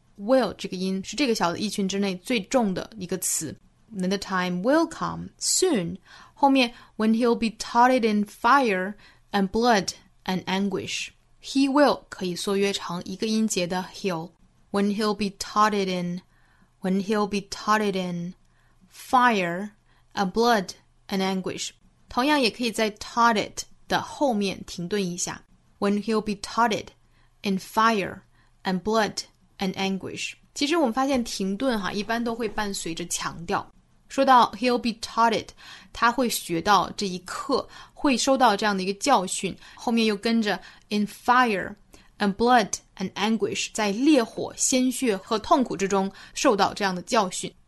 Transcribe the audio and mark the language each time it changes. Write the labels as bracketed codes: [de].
[zh] Will 这个音是这个小的一群之内最重的一个词。 [en] Then the time will come soon. [zh] 后面 [en] when he'll be taught in fire and blood and anguish. He will 可以缩约成一个音节的 he'll. When he'll be taught in, when he'll be taught in fire and blood and anguish. [zh] 同样也可以在 taught it 的后面停顿一下。 [en] When he'll be taught in fire and blood. And anguish. [zh] 其实我们发现停顿哈，一般都会伴随着强调。说到 [en] he'll be taught it, [zh] 他会学到这一课，会收到这样的一个教训。后面又跟着 [en] in fire and blood and anguish, [zh] 在烈火、鲜血和痛苦之中受到这样的教训。